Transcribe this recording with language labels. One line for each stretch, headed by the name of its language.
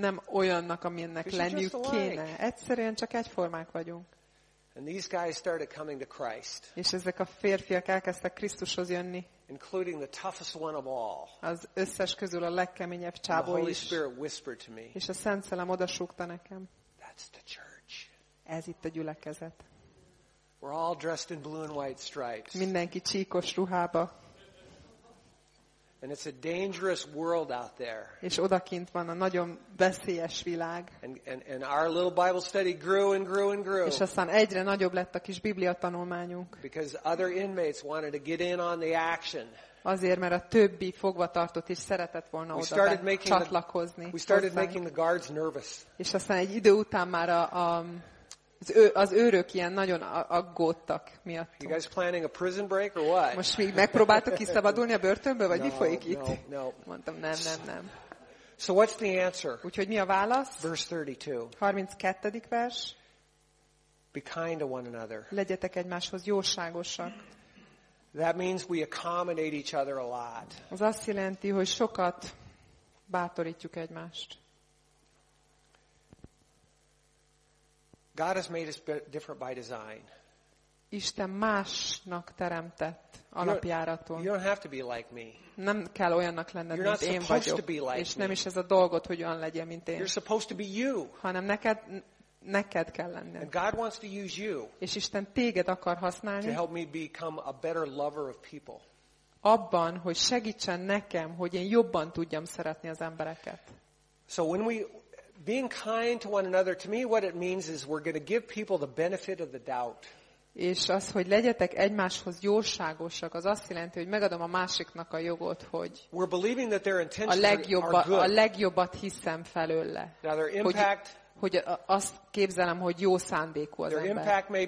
Hungarian: Nem olyannak, amilyennek lenniük kéne. Egyszerűen csak egyformák vagyunk.
English: And these guys started coming to Christ.
Hungarian: És ezek a férfiak elkezdtek Krisztushoz jönni.
English: Including the toughest one of all.
Hungarian: Az összes közül a legkeményebb csábó is.
English: The Holy Spirit whispered to me.
Hungarian: És a Szent Szellem odasúgta nekem.
English: That's the church.
Hungarian: Ez itt a gyülekezet.
English: We're all dressed in blue and white stripes.
Hungarian: Mindenki csíkos ruhába.
English: And it's a dangerous world out there.
Hungarian: És odakint van a nagyon veszélyes világ.
English: And our little Bible study grew and grew and grew.
Hungarian: És aztán egyre nagyobb lett a kis Biblia tanulmányunk.
English: Because other inmates wanted to get in on the action.
Hungarian: Azért, mert a többi fogvatartott is szeretett volna oda csatlakozni.
English: We started making the guards nervous.
Hungarian: És aztán egy idő után már az őrök ilyen nagyon aggódtak miattunk.
English: You guys planning a prison break or what?
Hungarian: Most még megpróbáltok kiszabadulni a börtönből, vagy
English: no,
Hungarian: mi folyik itt?
English: No.
Hungarian: Mondtam, nem.
English: So what's the answer?
Hungarian: Úgyhogy mi a válasz?
English: Verse 32.
Hungarian: 32. vers.
English: Be kind to one another.
Hungarian: Legyetek egymáshoz jóságosak.
English: That means we accommodate each other a lot.
Hungarian: Az azt jelenti, hogy sokat bátorítjuk egymást.
English: God has made us different by design.
Hungarian: Isten másnak teremtett alapjáraton.
English: You don't have to be like me.
Hungarian: Nem kell olyannak lenned, mint én vagyok.
English: Like
Hungarian: és nem is ez a dolgod, hogy olyan legyen, mint én.
English: You're supposed to be you.
Hungarian: Hanem neked kell lenned.
English: And God wants to use you.
Hungarian: És Isten téged akar használni.
English: To help me become a better lover of people.
Hungarian: Abban, hogy segítsen nekem, hogy én jobban tudjam szeretni az embereket.
English: So when we being kind to one another, to me what it means is we're going to give people the benefit of the doubt.
Hungarian: És az, hogy legyetek egymáshoz jóságosak, az azt jelenti, hogy megadom a másiknak a jogot, hogy a legjobbat hiszem felőle. Hogy azt képzelem, hogy jó szándékú az ember.